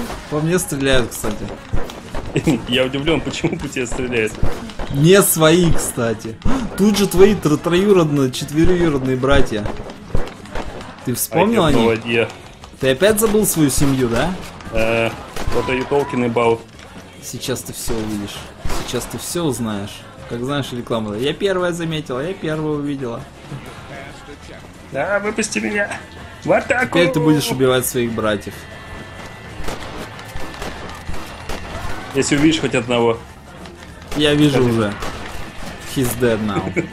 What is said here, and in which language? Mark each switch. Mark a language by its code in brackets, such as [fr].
[ru] По мне стреляют, кстати. Я удивлен, почему по тебе стреляют. Не свои, кстати. Тут же твои троюродные, четвероюродные братья. Ты вспомнил о них? [en] No idea. [ru] Ты опять забыл свою семью, да? [en] What are you talking about? [ru] Сейчас ты все увидишь. Сейчас ты все узнаешь. Как знаешь рекламу. Я первая заметила, я первая увидела. Да, выпусти меня. В атаку! Теперь ты будешь убивать своих братьев. Если увидишь хоть одного. Я вижу уже. [en] He's dead now.